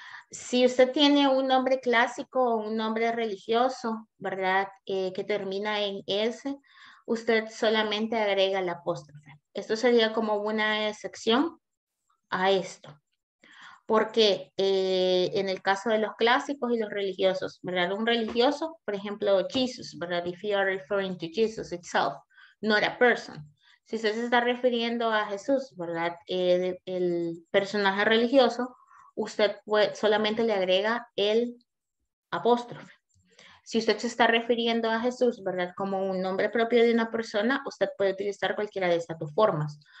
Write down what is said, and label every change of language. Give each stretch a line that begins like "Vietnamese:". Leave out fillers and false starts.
Spanish: Si usted tiene un nombre clásico o un nombre religioso, ¿verdad? Que termina en S, usted solamente agrega el apóstrofe. Esto sería como una excepción a esto. Porque en el caso de los clásicos y los religiosos, ¿verdad? Un religioso, por ejemplo, Jesus, ¿verdad?
English: If you are referring to Jesus itself, not a person.
Spanish: Si usted se está refiriendo a Jesús, ¿verdad? El personaje religioso, usted puede, solamente le agrega el apóstrofe. Si usted se está refiriendo a Jesús, ¿verdad? Como un nombre propio de una persona, usted puede utilizar cualquiera de estas dos formas.